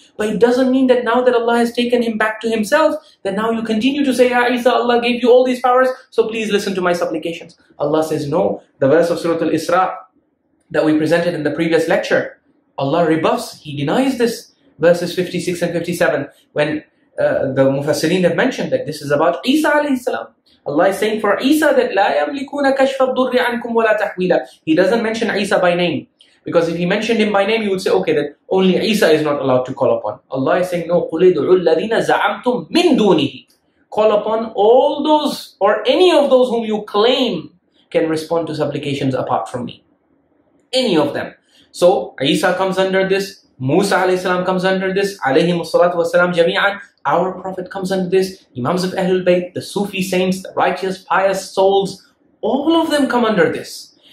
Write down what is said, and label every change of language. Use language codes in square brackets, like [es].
[en] But it doesn't mean that now that Allah has taken him back to himself, that now you continue to say, Ya Isa, Allah gave you all these powers, so please listen to my supplications. Allah says, no. The verse of Surah Al-Isra that we presented in the previous lecture, Allah rebuffs, he denies this. Verses 56 and 57, when the Mufassirin have mentioned that this is about Isa alayhi salam. [ar] Allah is saying for Isa that لا يملكون كشف الضر عنكم ولا تحويلا. [en] He doesn't mention Isa by name. Because if he mentioned him by name, you would say, okay, then only Isa is not allowed to call upon. [ar] Allah is saying, no, قُلِ دُعُوا الَّذِينَ زَعَمْتُمْ مِن دُونِهِ. [en] Call upon all those or any of those whom you claim can respond to supplications apart from me. Any of them. So, Isa comes under this. Musa alayhi salam comes under this. Alayhi musallatu wasalam jami'an. Our Prophet comes under this. Imams of Ahlul Bayt, the Sufi saints, the righteous, pious souls, all of them come under this.